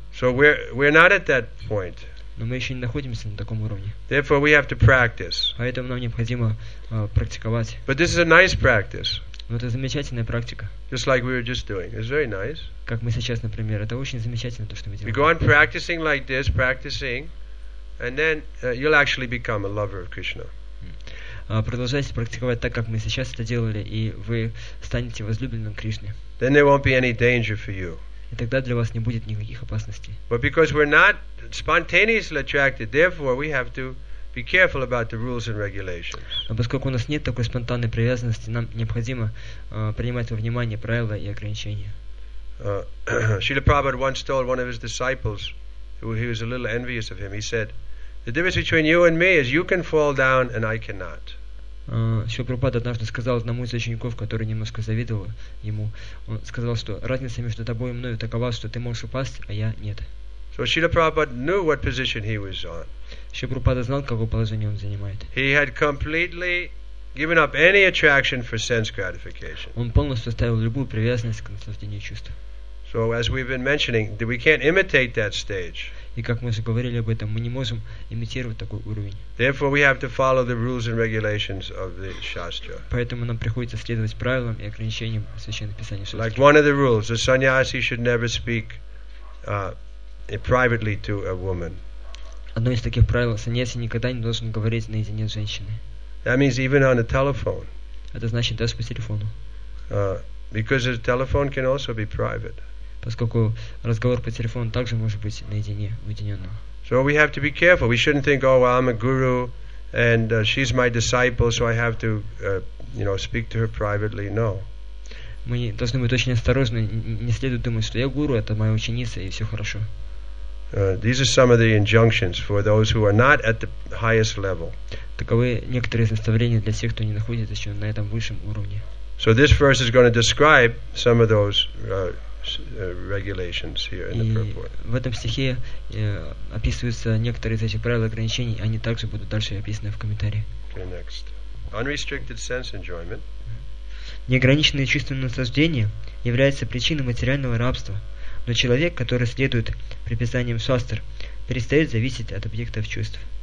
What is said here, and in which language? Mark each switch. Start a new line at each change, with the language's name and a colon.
English: So we're not at that point.
Russian: Но мы еще не находимся на таком уровне.
English: Therefore we have to practice.
Russian: Поэтому нам необходимо практиковать.
English: But this is a nice practice.
Russian: Но это замечательная практика.
English: Just like we were just doing. It's very nice.
Russian: Как мы сейчас, например, это очень замечательно то, что мы делаем.
English: We go on practicing like this, practicing, and then you'll actually become a lover of Krishna.
Russian: Продолжайте практиковать так, как мы сейчас это делали, и вы станете возлюбленным Кришны.
English: Then there won't be any danger for you.
Russian: И тогда для вас не будет никаких опасностей.
English: But because we're not spontaneously attracted, therefore we have to be careful about the rules and regulations.
Russian: Но поскольку у нас нет такой спонтанной привязанности, нам необходимо принимать во внимание правила и ограничения.
English: Srila Prabhupada once told one of his disciples, he was a little envious of him. He said, "The difference between you and me is you can fall down and I cannot."
Russian: Srila Prabhupada однажды сказал одному из учеников, который немножко завидовал ему, он сказал, что разница между тобой и мною такова, что ты можешь упасть, а я нет.
English: So Srila Prabhupada knew what position he was on.
Russian: Шрила Прабхупада знал, какое положение он занимает.
English: He had completely given up any attraction for sense gratification.
Russian: Он полностью оставил любую привязанность к наслаждению чувств.
English: So as we've been mentioning, that we can't imitate that stage.
Russian: И как мы уже говорили об этом, мы не можем имитировать такой уровень.
English: Therefore, we have to follow the rules and regulations of the shastra.
Russian: Поэтому нам приходится следовать правилам и ограничениям священных писаний шастры.
English: Like one of the rules, a sannyasi should never speak privately to a woman.
Russian: Одно из таких правил – саньяси никогда не должен говорить наедине с женщиной.
English: That means even on a telephone.
Russian: Это значит даже по телефону.
English: Because a telephone can also be private.
Russian: Поскольку разговор по телефону также может быть наедине, уединенно.
English: So we have to be careful. We shouldn't think, oh, well, I'm a guru, and she's my disciple, so I have to, speak to her privately. No.
Russian: мы должны быть очень осторожны, не следует думать, что я гуру, это моя ученица, и все хорошо.
English: These are some of the injunctions for those who are not at the highest level.
Russian: Таковы некоторые из наставлений для тех, кто не находится еще на этом высшем уровне.
English: So this verse is going to describe some of those regulations here in the purport.
Russian: В этом стихе описываются некоторые из этих правил ограничений, они также будут дальше описаны в комментарии.
English: Okay, next. Unrestricted sense enjoyment.
Russian: Неограниченное чувственное наслаждение является причиной материального рабства, но человек, который следует приписаниям шастр, перестает зависеть от объектов чувств.